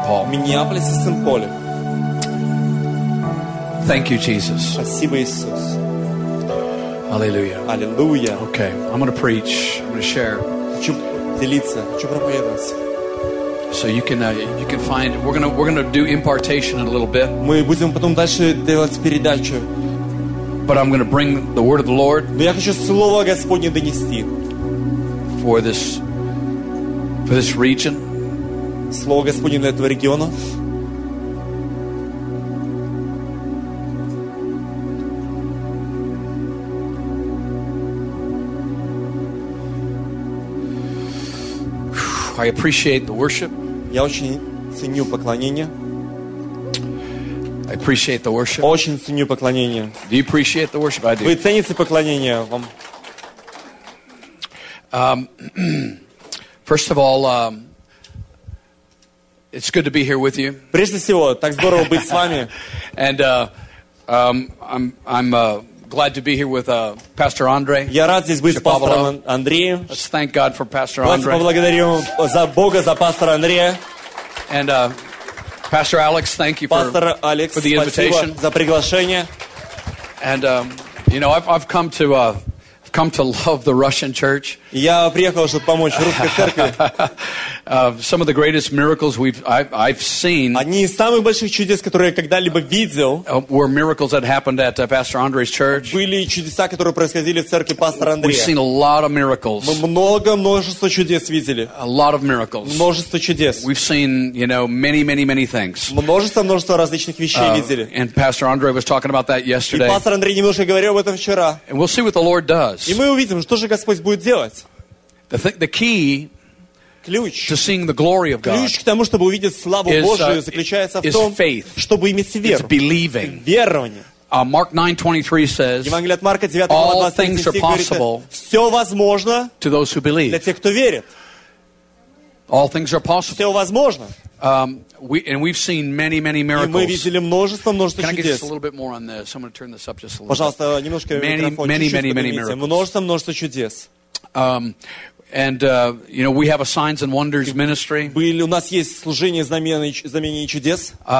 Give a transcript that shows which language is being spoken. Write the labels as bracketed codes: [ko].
[en] Paul. Thank you, Jesus. Hallelujah. Hallelujah. Okay, I'm going to preach. I'm going to share. So you can find we're gonna do impartation in a little bit. [ru] Мы будем потом дальше делать передачу. [en] But I'm gonna bring the word of the Lord. [ru] Но я хочу слово Господне донести. [en] For this region. [ru] Слово Господне для этого региона. [en] I appreciate the worship. [ru] Я очень ценю поклонение. [en] I appreciate the worship. [ru] Очень ценю поклонение. [en] Do you appreciate the worship? I do. [ru] Вы цените поклонение вам? [en] First of all, it's good to be here with you. [ru] Прежде всего, так здорово быть с вами. [en] And I'm glad to be here with Pastor Andre. [ru] Я рад здесь быть с пастором Андреем. [en] Just thank God for Pastor Andre. [ru] Поблагодарим за Бога за пастора Андрея. [en] And Pastor Alex, thank you for the invitation. [ru] За приглашение. [en] And you know, I've come to love the Russian church. [ru] Я приехал, чтобы помочь русской церкви. [en] Some of the greatest miracles I've seen. [ru] Одни из самых больших чудес, которые я когда-либо видел. [en] Were miracles that happened at Pastor Andre's church. [ru] Были чудеса, которые происходили в церкви пастора Андрея. [en] We've seen a lot of miracles. [ru] Мы множество чудес видели. [en] A lot of miracles. [ru] Множество чудес. [en] We've seen, you know, many things. [ru] Множество различных вещей видели. [en] And Pastor Andre was talking about that yesterday. [ru] И пастор Андрей немножко говорил об этом вчера. [en] And we'll see what the Lord does. [ru] И мы увидим, что же Господь будет делать. [en] The key [ru] ключ, [en] to seeing the glory of God, [ru] ключ к тому, чтобы увидеть славу Божию, заключается в том, [en] faith, [ru] чтобы иметь веру. [en] It's believing. [ru] Верование. [en] Mark 9:23 says, [ru] Евангелие от Марка 9:23 говорит, все возможно [en] to those who believe. [ru] Для тех, кто верит. [en] All things are possible. [ru] Все возможно. [en] And we've seen many miracles. [ru] И мы видели множество [en] Can [ru] чудес. [en] Can I get a little bit more on this? I'm going to turn this up just a little. [ru] Пожалуйста, [en] bit. [ru] Немножко микрофон. [en] Many miracles. [ru] Множество чудес. [en] You know, we have a signs and wonders ministry. [ru] У нас есть служение знамений и чудес.